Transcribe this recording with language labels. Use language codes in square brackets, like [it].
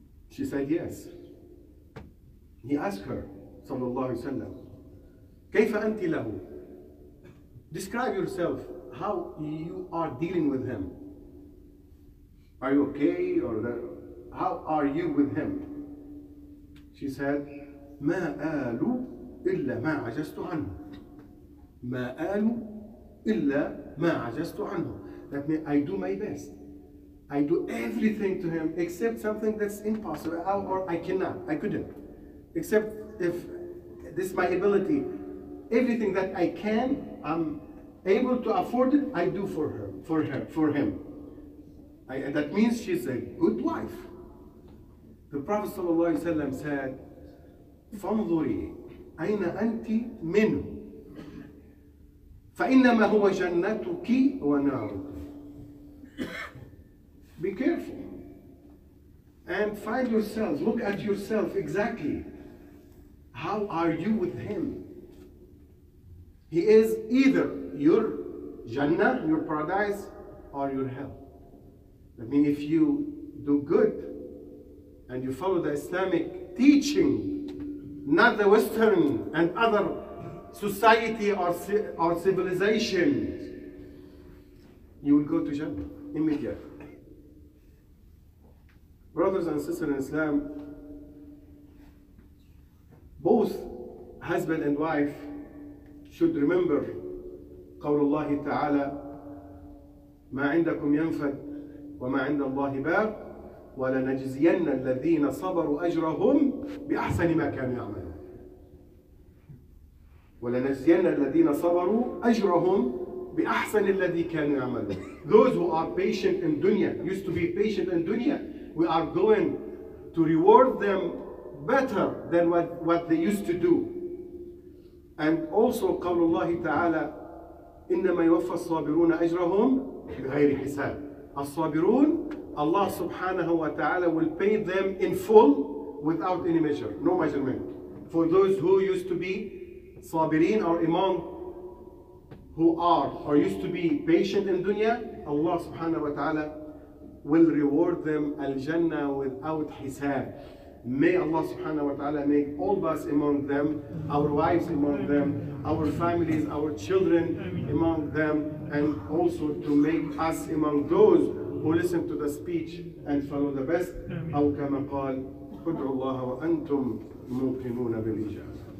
[en] She said, yes. He asked her, sallallahu alaihi wasallam, [ar] كَيْفَ أَنْتِ لَهُ؟ [en] Describe yourself, how you are dealing with him. Are you okay, or how are you with him? She said, [ar] مَا آلُ إِلَّا مَا عَجَزْتُ عَنْهُ. مَا آلُ إِلَّا مَا عَجَزْتُ عَنْهُ. [en] That means I do my best. I do everything to him except something that's impossible, or I couldn't. Except if this is my ability. Everything that I can, I'm able to afford it, I do for her, for him. That means she's a good wife. The Prophet sallallahu alaihi wasallam said, [ar] فَانْظُرِي أَيْنَ أَنْتِ مِنُّ فَإِنَّمَا هُوَ جَنَّتُكِ وَنَارُكِ. [en] Be careful and find yourself, look at yourself exactly. How are you with him? He is either your Jannah, your paradise, or your hell. I mean, if you do good and you follow the Islamic teaching, not the Western and other society or civilization, you will go to Jannah immediately. Brothers and sisters in Islam, both husband and wife should remember [ar] قول الله تعالى ما عندكم ينفد وما عند الله باق ولنجزين الذين صبروا أجرهم بأحسن ما كانوا يعملون ولنجزين الذين صبروا أجرهم بأحسن الذي كانوا يعملون. [en] Those who are patient in dunya, used to be patient in dunya, we are going to reward them better than what they used to do. And also [ar] قول الله تعالى إنما يوفى الصابرون أجرهم بغير حساب. [en] الصابرون, Allah [ar] سبحانه وتعالى [en] will pay them in full without any measure, no measurement. For those who used to be صابرين or imam who are or used to be patient in dunya, Allah [ar] سبحانه وتعالى [en] will reward them الجنة without حساب. May Allah subhanahu wa ta'ala make all of us among them, our wives among them, our families, our children among them, and also to make us among those who listen to the speech and follow the best. [ar] أو كما قال ادعوا الله وأنتم موقنون بالإجابة.